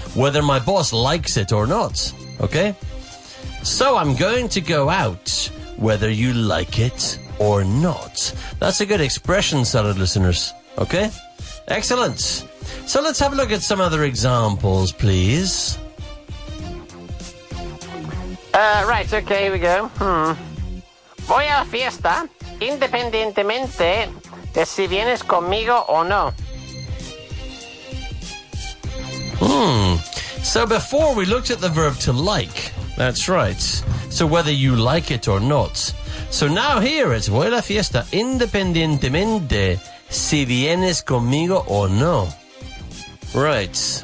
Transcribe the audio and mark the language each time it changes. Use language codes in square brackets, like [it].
[en] Whether my boss likes it or not. Okay? So I'm going to go out whether you like it or not. That's a good expression, salad listeners. Okay? Excellent. So let's have a look at some other examples, please. Here we go. [es] Voy a la fiesta independientemente de si vienes conmigo o no. [en] So before we looked at the verb to like. That's right. So whether you like it or not. So now here it's [es] voy a la fiesta independientemente si vienes conmigo o no. [en] Right.